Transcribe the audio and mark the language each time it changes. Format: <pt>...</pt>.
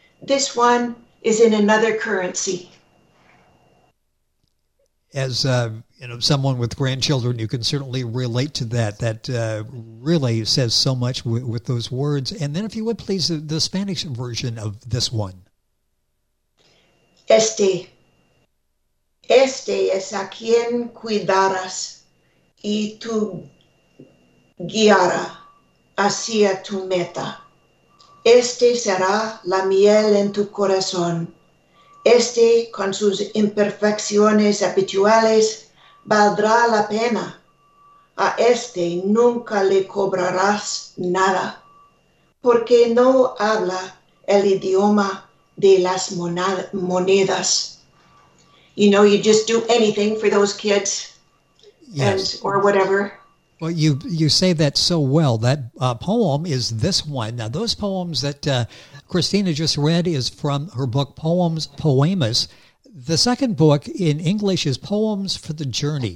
<en>This one is in another currency. As someone with grandchildren, you can certainly relate to that. That really says so much with those words. And then if you would please, the Spanish version of this one.</en> <es>Este es a quien cuidarás y tu guiará hacia tu meta. Este será la miel en tu corazón. Este, con sus imperfecciones habituales, valdrá la pena. A este nunca le cobrarás nada, porque no habla el idioma de las monedas.</es> <en>You know, you just do anything for those kids. Yes. Or whatever. Well, you say that so well. That poem is this one. Now, those poems that Christina just read is from her book, Poems Poemas. The second book in English is Poems for the Journey.</en>